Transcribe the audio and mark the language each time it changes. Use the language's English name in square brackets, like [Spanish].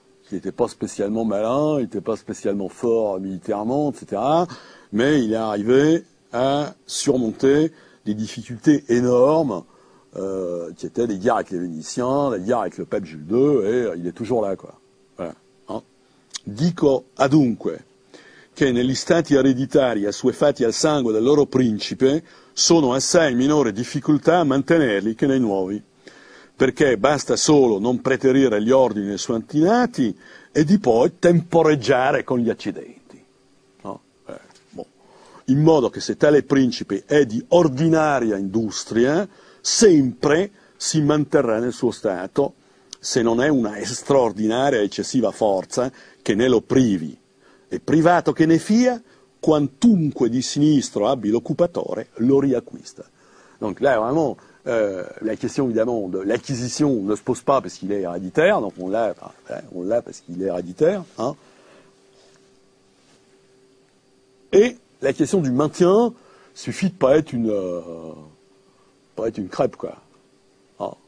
[French] Il n'était pas spécialement malin, il n'était pas spécialement fort militairement, etc. Mais il est arrivé à surmonter des difficultés énormes qui étaient les guerres avec les Vénitiens, les guerres avec le pape Jules II, et il est toujours là, quoi. Voilà. Hein. [Italian] Dico adunque che negli stati ereditari assuefatti al sangue del loro principe sono assai minore difficoltà a mantenerli che nei nuovi, perché basta solo non preterire gli ordini dei suoi antenati e di poi temporeggiare con gli accidenti. No? In modo che se tale principe è di ordinaria industria, sempre si manterrà nel suo stato, se non è una straordinaria eccessiva forza che ne lo privi. E privato che ne fia, quantunque di sinistro abbia l'occupatore, lo riacquista. [French] Donc là, vraiment, la question évidemment de l'acquisition ne se pose pas parce qu'il est héréditaire, donc on l'a parce qu'il est héréditaire. Hein. Et la question du maintien suffit de pas être une crêpe, quoi. Hein.